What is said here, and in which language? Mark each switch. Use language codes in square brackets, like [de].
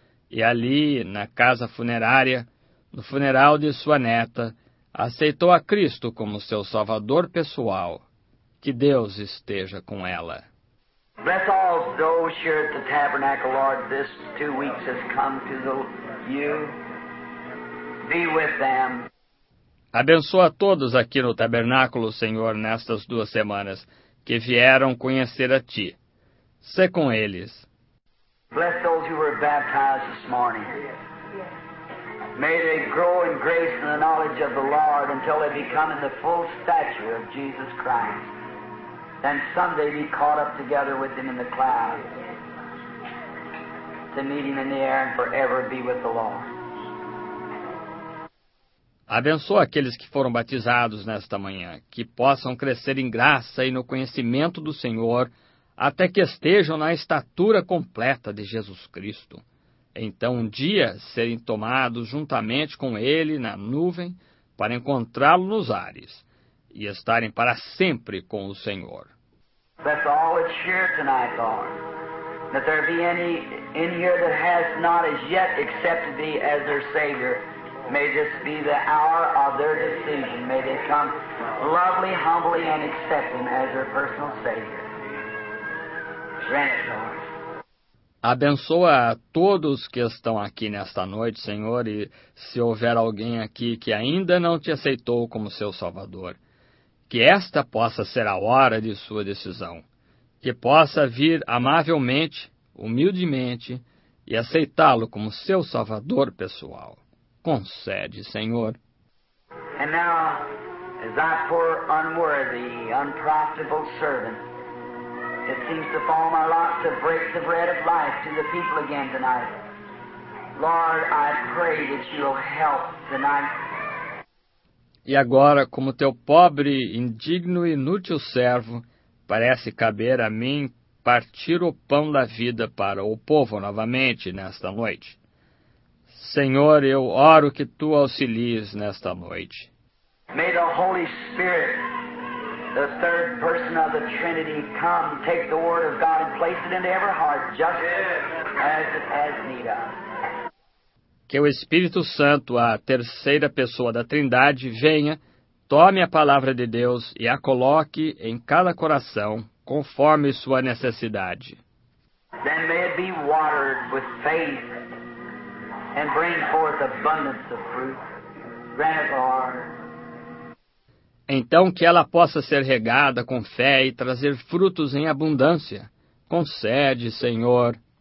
[pt] E ali, na casa funerária, no funeral de sua neta, aceitou a Cristo como seu Salvador pessoal. Que Deus esteja com ela. [en] Bless all those here at the tabernacle, Lord, this 2 weeks has come to you. Be with them. [pt] Abençoa todos aqui no tabernáculo, Senhor, nestas 2 semanas. Que vieram conhecer a Ti. Sê com eles. [en] Bless those who were baptized this morning. May they grow in grace and the knowledge of the Lord until they become in the full stature of Jesus Christ. And someday be caught up together with Him in the clouds. To meet Him in the air and forever be with the Lord. [pt] Abençoa aqueles que foram batizados nesta manhã, que possam crescer em graça e no conhecimento do Senhor, até que estejam na estatura completa de Jesus Cristo. Então, um dia, serem tomados juntamente com Ele na nuvem, para encontrá-lo nos ares, e estarem para sempre com o Senhor. [en] That's all it's here tonight, Lord. that there be any in here that has not as yet accepted thee as their Savior. May this be the hour of their decision. May they come lovely, humbly, and accept him as their personal Savior. Grant it, Lord. [pt] Abençoa a todos que estão aqui nesta noite, Senhor, e se houver alguém aqui que ainda não te aceitou como seu Salvador, que esta possa ser a hora de sua decisão, que possa vir amavelmente, humildemente, e aceitá-lo como seu Salvador pessoal. Concede, Senhor. [en] And now, as that poor, unworthy, unprofitable servant, it seems to fall my lot to break the bread of life to the people again tonight. Lord, I pray that you'll help tonight. [pt] E agora, como teu pobre, indigno e inútil servo, parece caber a mim partir o pão da vida para o povo novamente nesta noite. Senhor, eu oro que tu auxilies nesta noite. [en] May the Holy Spirit, the third person of the Trinity, come, take the word of God and place it into every heart, just as it has need of. [pt] Que o Espírito Santo, a terceira pessoa da Trindade, venha, tome a palavra de Deus e a coloque em cada coração, conforme sua necessidade. [en] Then may it be watered with faith and bring forth abundance of fruit. Grant it, Lord. [pt] Então que ela possa ser regada com fé e trazer frutos em abundância. Concede, Senhor.